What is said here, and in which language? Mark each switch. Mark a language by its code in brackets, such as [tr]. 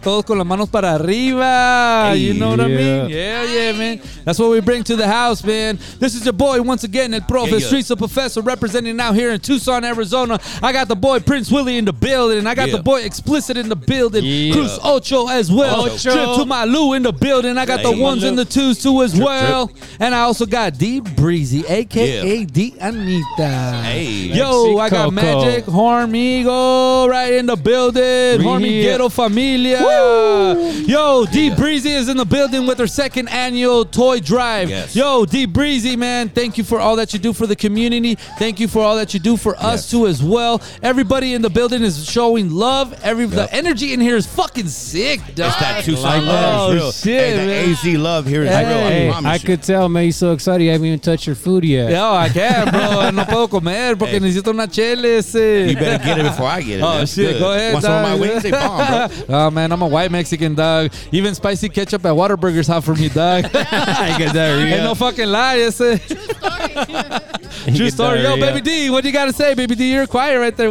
[es] Todos con las manos para arriba. [en] Hey. You know what I mean? Yeah, man. That's what we bring to the house, man. This is your boy, once again, El Prof, Streets of Professor, representing out here in Tucson, Arizona. I got the boy Prince Willy in the building. I got the boy Explicit in the building. Yeah. Cruz Ocho as well. Trip to my Lou in the building. I got the ones and the twos too as trip. And I also got Dee Breezy, a.k.a. Dee Anita. Hey. Yo, Mexico. I got Magik Hormiga right in the building. Hormiguero Familia. Woo. Yo, Dee Breezy is in the building with her second annual toy drive. Yes. Yo, Dee Breezy, man, thank you for all that you do for the community. Thank you for all that you do for us too as well. Everybody in the building is showing love. The energy in here is fucking sick, dog. That Tucson love is real. Shit, hey, the AZ love here is real. I could tell, man. You're so excited. You haven't even touched your food yet. No, I can't, bro. [es] No puedo comer porque necesito una chela. [en] You better get it before I get it. Oh, man. Shit. Go ahead. Want some of my wings? They bomb, bro. Oh, man. I'm a white Mexican, dog. Even spicy ketchup at Whataburger's hot for me, dog. I get that real. Ain't no fucking lie. True story. True story. Yo, baby D, what do you got to say? Baby D, you're quiet right there.